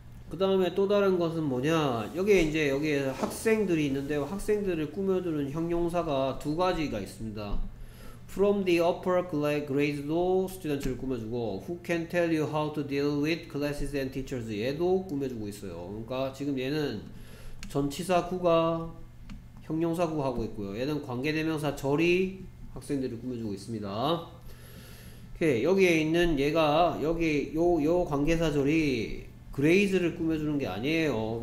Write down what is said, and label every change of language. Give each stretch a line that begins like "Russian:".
Korean: 그 다음에 또 다른 것은 뭐냐? 여기에 학생들이 있는데 학생들을 꾸며주는 형용사가 두 가지가 있습니다.
English: From the upper grades도
Korean: 스튜던트를 꾸며주고,
English: Who can tell you how to deal with classes and teachers?
Korean: 얘도 꾸며주고 있어요. 그러니까 지금 얘는 전치사구가 형용사구 하고 있고요. 얘는 관계대명사 절이 학생들을 꾸며주고 있습니다. 오케이, 여기에 있는 얘가 여기 요 관계사절이 grades를 꾸며주는 게 아니에요.